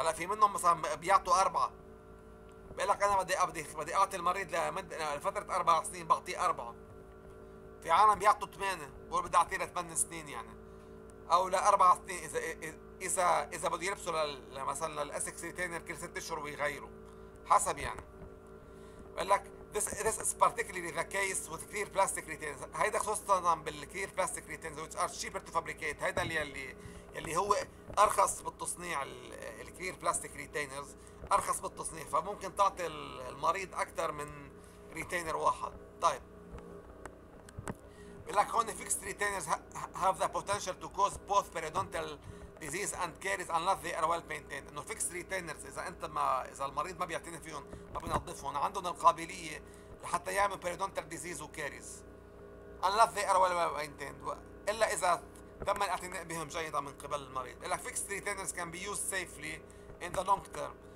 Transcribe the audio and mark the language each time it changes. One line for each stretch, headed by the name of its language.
Arabic: هلا في منهم مثلا بيعطوا أربعة، بيقول لك أنا بدي أعطي المريض لفترة أربع سنين بعطيه أربعة. في عالم بيعطوا ثمانية، بقول بدي أعطيه لثمان سنين يعني، أو لأربع سنين إذا بده يلبسوا مثلا للأسكس ريتينر كل ست أشهر ويغيروا حسب يعني. بيقول لك
English: This is particularly the case with clear plastic retainers.
Arabic: هيدا خصوصاً
English: بالclear plastic retainers which are cheaper to fabricate.
Arabic: هيدا اللي هو أرخص بالتصنيع، الclear plastic retainers أرخص بالتصنيع، فممكن تعطي المريض أكثر من retainer واحد. طيب بقول لك هون
English: fixed retainers have the potential to cause both periodontal disease and caries unless they are well maintained.
Arabic: انه فيكس ريتينرز اذا المريض ما بيعتني فيهم ما بينظفهم، عندهم القابليه لحتى يعمل بيريدونتال ديزيز وكاريز،
English: unless they are well maintained،
Arabic: الا اذا تم الاعتناء بهم جيدا من قبل المريض.
English: لك fixed retainers can be used safely in the long term.